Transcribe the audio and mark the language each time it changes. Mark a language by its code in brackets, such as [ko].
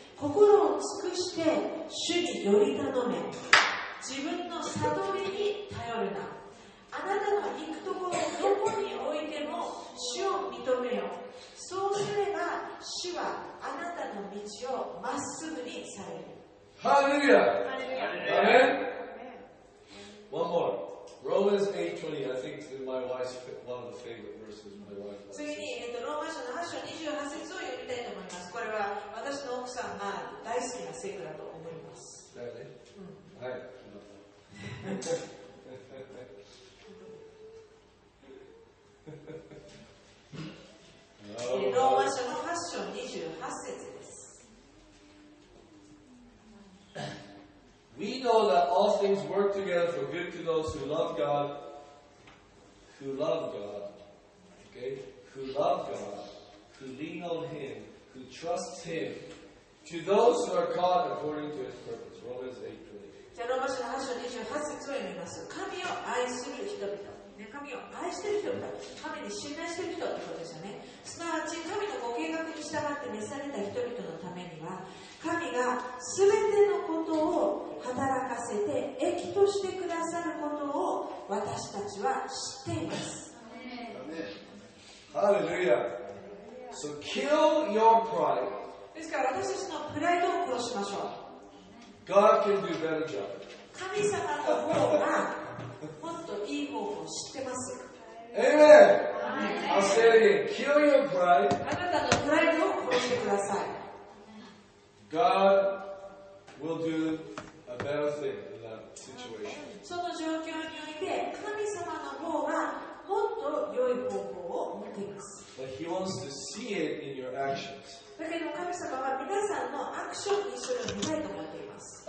[ja] 心を尽くして主により頼め、自分の悟りに頼るな。あなたの行くところをどこに置いても主を認めよ。そうすれば主はあなたの道をまっすぐにされる。ハレルヤ。アメン。 [en] One more. Romans 8:20. I think it's my wife's one of the favorite verses. My wife. [ja] 次に、ローマ書の8章28節を読みたいと思います。これは私の奥さんが大好きな聖句だと思います。だよね。はい。ローマ書の8章28節です。 [en] We know that all things work together for good to those who love God. Who love God. Okay? Who love God. Who lean on Him. Who trust Him. To those who are called according to His purpose. Romans 8:28. [ja] じゃあ、ローマ書の8章28節を読みます。神を愛する人々。ね、神を愛している人々。神に信頼している人ということですよね。すなわち、神のご計画に従って召された人々のためには、神が全てのことを働かせて益としてくださることを私たちは知っています。 [en] ハレルヤ。So kill your pride. [ja] ですから私たちのプライドを殺しましょう。 [en] God can do better job. [ja] 神様の方がもっといい方法を知ってます。 [en] Amen. I'll say it again. Kill your pride. [ja] あなたのプライドを殺してください。 [en] God will do a better thing in that situation. [ja] その状況において神様の方がもっと良い方法を持っています。 [en] But He wants to see it in your actions. [ja] だけど神様は皆さんのアクションにそれを見たいと思っています。